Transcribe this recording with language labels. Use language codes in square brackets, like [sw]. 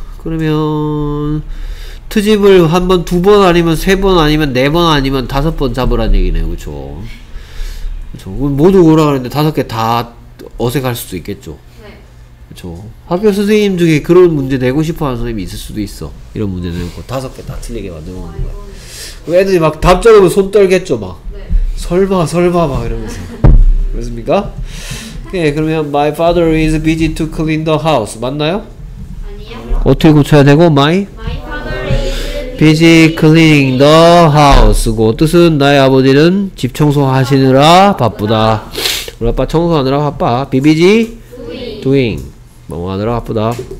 [ko] 그러면 트집을 한 번 두 번 아니면 세 번 아니면 네 번 아니면 다섯 번 잡으라는 얘기네요. 그쵸? 그쵸? 모두 오라 그러는데 다섯 개 다 어색할 수도 있겠죠. 그쵸? 학교 선생님 중에 그런 문제 내고 싶어하는 선생님이 있을 수도 있어. 이런 문제 내고 다섯 개 다 틀리게 만들어 놓는 거야. 애들이 막 답 적으면 손 떨겠죠, 막. 네. 설마 막 이러면서. 그렇습니까? 네, 그러면 [en] my father is busy to clean the house. [ko] 맞나요? 아니요. 어떻게 고쳐야 되고 my [en] father is busy cleaning the house [ko] 고 뜻은 나의 아버지는 집 청소하시느라 바쁘다. 우리 아빠 청소하느라 바빠. [en] Be busy doing. [ko] 뭐 하느라 바쁘다.